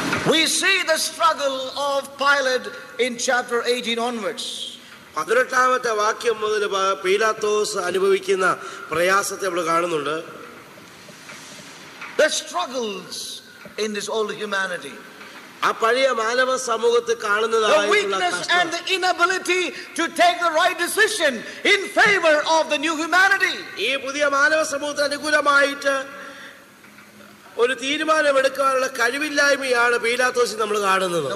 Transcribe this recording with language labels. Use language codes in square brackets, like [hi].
[en] We see the struggle of Pilate in chapter 18 onwards. [ml] പതിനെട്ടാമത്തെ വാക്യം മുതൽ പീലാത്തോസ് അനുഭവിക്കുന്ന പ്രയാസത്തെ നമ്മൾ കാണുന്നുണ്ട്. [en] The struggles in this old humanity. [ml] ആ പഴയ മാനവ സമൂഹത്തെ കാണുന്നതായിട്ടുള്ള കഷ്ടം. [en] The weakness and the inability to take the right decision in favor of the new humanity. [ml] ഈ പുതിയ മാനവ സമൂഹത്തെ അനുകൂലമായിട്ട് ഒരു തീരുമാനം എടുക്കാനുള്ള കഴിവില്ലായ്മയാണ് പീലാത്തോസിൽ നമ്മൾ കാണുന്നത്.